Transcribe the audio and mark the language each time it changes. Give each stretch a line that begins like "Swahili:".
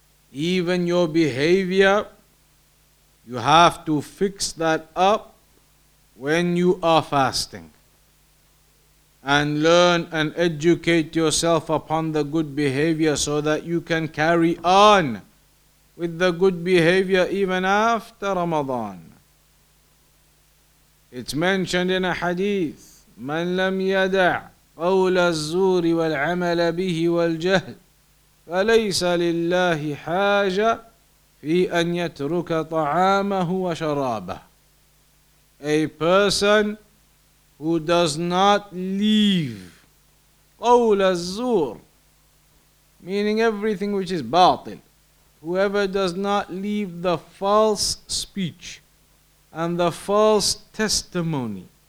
English: Even your behavior, you have to fix that up when you are fasting. And learn and educate yourself upon the good behavior so that you can carry on with the good behavior even after Ramadan. It's mentioned in a hadith,
Arabic: من لم يدع قول الزور والعمل به والجهل فليس لله حاجة في أن يترك طعامه وشرابه.
English: A person who does not leave
Arabic: قول الزور,
English: meaning everything which is باطل, whoever does not leave the false speech and the false testimony,